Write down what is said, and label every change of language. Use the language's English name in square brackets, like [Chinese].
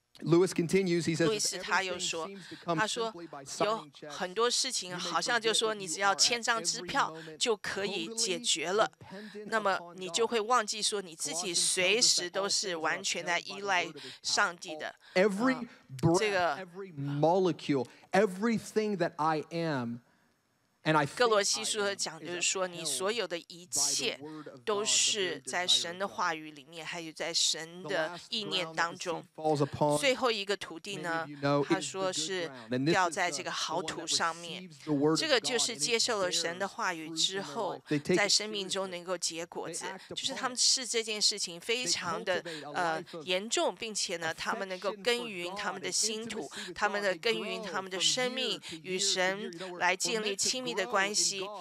[English] Lewis continues, he says, [Chinese] 路易斯他又说，他说有很多事情好像就说你只要签张支票就可以解决了，那么你就会忘记说你自己随时都是完全在依赖上帝的。 [English] Every breath, every molecule, everything that I am, and I think [Chinese] 哥罗西书讲就是说你所有的一切都是在神的话语里面还有在神的意念当中。最后一个土地呢，他说是掉在这个好土上面，这个就是接受了神的话语之后在生命中能够结果子，就是他们视这件事情非常的严重，并且呢他们能够耕耘他们的心土，他们的耕耘他们的生命与神来建立亲密的关系。